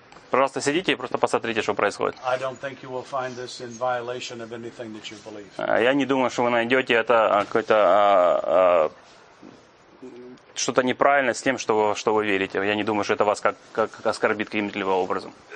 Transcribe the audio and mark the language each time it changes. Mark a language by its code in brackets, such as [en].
[ru] Просто сидите и просто посмотрите, что происходит. [en] I don't think you will find this in violation of anything that you believe. [ru] Я не думаю, что вы найдете это какой-то что-то неправильно с тем, что вы верите. Я не думаю, что это вас как оскорбит каким-либо образом.